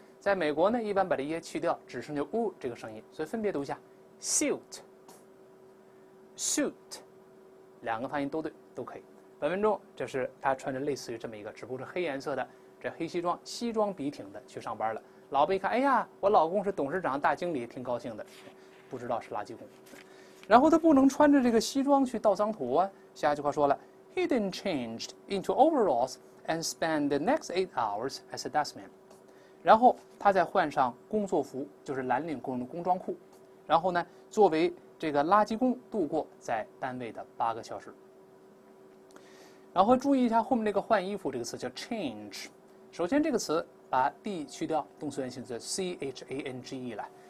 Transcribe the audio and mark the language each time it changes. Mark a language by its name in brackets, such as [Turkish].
[Chinese] 在美国呢，一般把这耶去掉，只剩下呜这个声音，所以分别读一下 suit suit， 两个发音都对都可以。本文中这是他穿着类似于这么一个，只不过是黑颜色的这黑西装，西装笔挺的去上班了。老婆一看，哎呀，我老公是董事长大经理，挺高兴的，不知道是垃圾工。然后他不能穿着这个西装去倒脏土啊。下一句话说了 [English] ，He then changed into overalls and spent the next 8 hours as a dustman。 [Chinese] 然后他再换上工作服，就是蓝领工人的工装裤，然后呢，作为这个垃圾工度过在单位的8个小时。然后注意一下后面那个换衣服这个词叫 change。首先这个词把 d 去掉，动词原形是 change 了。